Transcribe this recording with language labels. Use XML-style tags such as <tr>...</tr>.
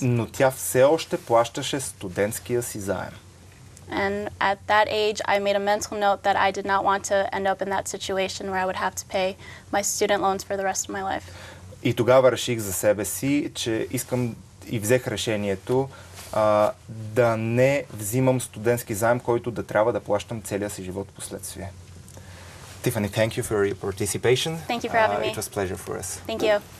<bg>Но тя все още плащаше студентския си заем.</bg> <en>And at that age I made a mental note that I did not want to end up in that situation where I would have to pay my student loans for the rest of my life.</en> <bg>И тогава реших за себе си, че искам и взех решението да не взимам студентски заем, който да трябва да плащам целия си живот последствие.</bg> <en>Tiffany, thank you for your participation. Thank you for having me. It was a pleasure for us. Thank you.</en>